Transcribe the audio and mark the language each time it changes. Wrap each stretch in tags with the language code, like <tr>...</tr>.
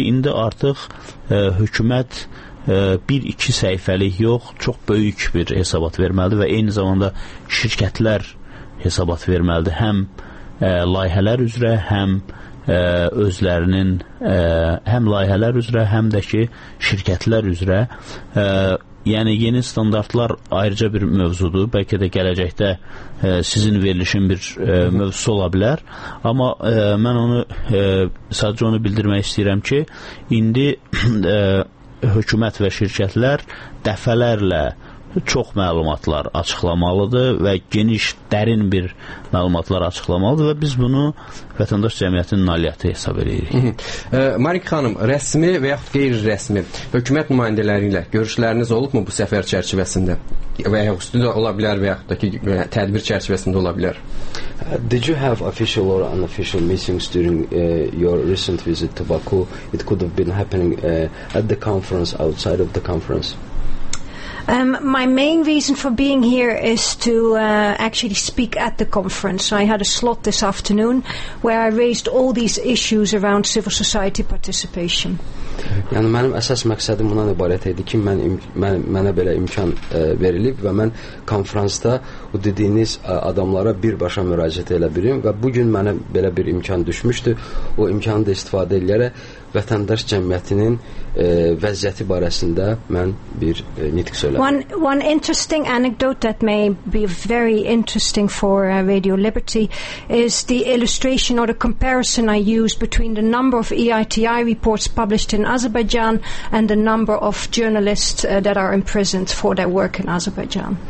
<az>İndi artıq hökumət 1-2 səhifəlik yox, çox böyük bir hesabat verməlidir və eyni zamanda şirkətlər hesabat verməlidir. Həm layihələr üzrə, həm özlərinin həm layihələr üzrə, həm də ki şirkətlər üzrə. Yəni, yeni standartlar ayrıca bir mövzudur. Bəlkə də gələcəkdə sizin verilişin bir mövzusu ola bilər. Amma mən onu sadəcə onu bildirmək istəyirəm ki, indi hökumət və şirkətlər dəfələrlə çox məlumatlar açıqlamalıdır və geniş, dərin bir məlumatlar açıqlamalıdır və biz bunu vətəndaş cəmiyyətinin nailiyyəti hesab edirik. Marika xanım, rəsmi və yaxud qeyri-rəsmi hökumət nümayəndələri ilə görüşləriniz olubmu bu səfər çərçivəsində? Və ya üstündə ola bilər və yaxud da ki, tədbir çərçivəsində ola bilər?</az> <en>Did you have official or unofficial meetings during your recent visit to Baku? It could have been happening at the conference, outside of the conference. My main reason for being here is to actually speak at the conference. I had a slot this afternoon where I raised all these issues around civil society participation.</en> <az>Yəni mənim əsas məqsədim bundan ibarət idi ki, mənə belə imkan verilib və mən konfransda o dediyiniz adamlara birbaşa müraciət edə bilirəm və bu gün mənə belə bir imkan düşmüşdü. O imkanı da istifadə edərək vətəndaş cəmiyyətinin vəziyyəti barəsində mən bir nitq söylədim.</az> <en>One interesting anecdote that may be very interesting for Radio Liberty is the illustration or the comparison I used between the number of EITI reports published in Azerbaijan and the number of journalists that are imprisoned for their work in Azerbaijan.</en>